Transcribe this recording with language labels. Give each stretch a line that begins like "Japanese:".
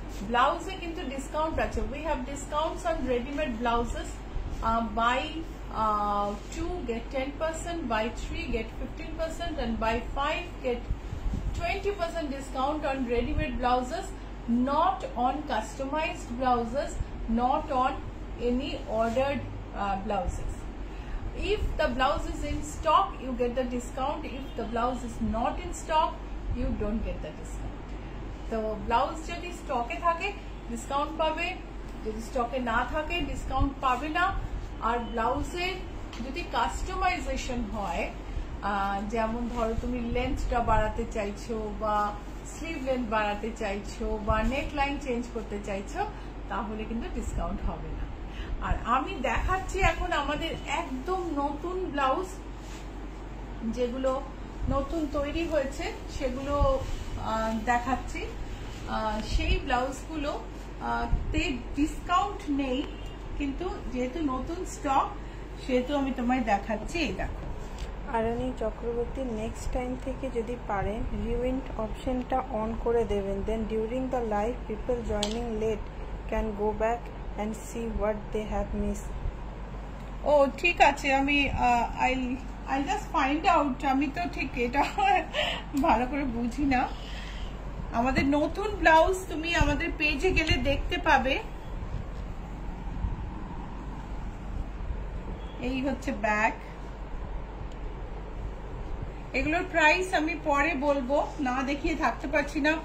Bangla: ব্লাউজে কিন্তু ডিসকাউন্ট আছে,
English: We have discounts on readymade blouses, buy two get 10%, buy three get 15%, and buy five get 20% discount on readymade blouses, not on customised blouses, not on any ordered blouses. If the blouse is in stock, you get the discount. If the blouse is not in stock, you don't get the discount.
Bangla: The blouse jodi stock e thake, discount pabe. Jodi stock e na thake, discount pabe na. Ar blouse er jodi customization hoy, jemon dhoro tumi length ta barate chaicho, ba sleeve length barate chaicho, ba neckline change korte chaicho, tahole kintu discount hobe na. আর আমি দেখাচ্ছি এখন আমাদের একদম নতুন blouse, যেগুলো নতুন তৈরি হয়েছে সেগুলো দেখাচ্ছি। সেই ব্লাউজগুলো তে ডিসকাউন্ট নেই, কিন্তু যেহেতু নতুন স্টক সেহেতু আমি তোমায় দেখাচ্ছি। এই দেখো
English: Arani Chakraborty, next time
Bangla: থেকে যদি পারেন রিউইন্ড অপশনটা অন করে দেবেন,
English: Then during the live people joining late can go back and see what they have missed. Oh,
Bangla: ঠিক আছে, আমি
English: I'll just find out.
Bangla: আমি তো ঠিক এটা ভালো করে বুঝি না। আমাদের নতুন ব্লাউজ তুমি আমাদের পেজে গেলে দেখতে পাবে। এই হচ্ছে ব্যাক, এগুলোর প্রাইস আমি পরে বলবো, না দেখিয়ে থাকতে পারছি না।